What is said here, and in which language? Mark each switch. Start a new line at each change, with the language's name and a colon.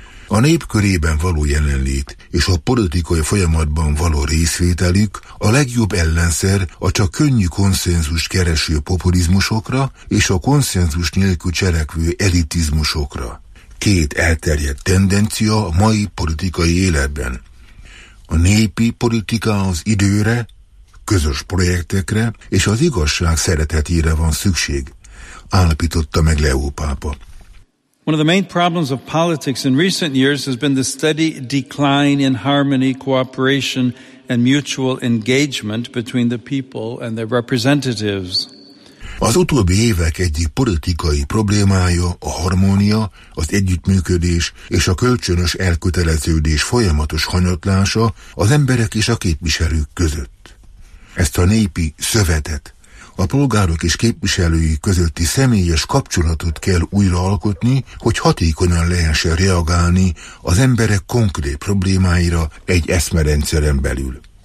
Hungarian: A nép körében való jelenlét és a politikai folyamatban való részvételük a legjobb ellenszer a csak könnyű konszenzus kereső populizmusokra és a konszenzus nélkül cselekvő elitizmusokra. Két elterjedt tendencia a mai politikai életben. A népi politika az időre, közös projektekre és az igazság szeretetére van szükség, állapította meg Leó pápa.
English: One of the main problems of politics in recent years has been the steady decline in harmony, cooperation and mutual engagement between the people and their representatives.
Hungarian: Az utóbbi évek egyik politikai problémája a harmónia, az együttműködés és a kölcsönös elköteleződés folyamatos hanyatlása az emberek és a képviselők között. Ezt a népi szövetet, a polgárok és képviselői közötti személyes kapcsolatot kell újraalkotni, hogy hatékonyan lehessen reagálni az emberek konkrét problémáira egy eszmerendszeren belül.